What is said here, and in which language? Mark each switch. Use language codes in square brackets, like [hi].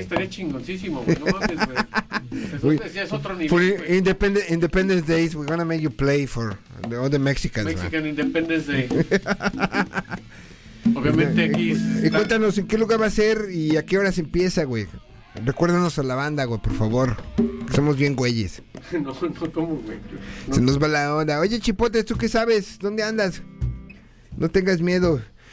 [es] Estaría chingoncísimo, güey. No mames, güey. Es otro nivel. [en] Independence Days, we're gonna make you play for the, all the Mexicans. Mexican, man. Independence Day. [es] Obviamente aquí. Y cuéntanos en qué lugar va a ser y a qué horas empieza, güey. Recuérdanos a la banda, güey, por favor. Somos bien güeyes. No, ¿cómo, güey? No. Se nos va la onda. Oye, Chipote, ¿tú qué sabes? ¿Dónde andas? No tengas miedo.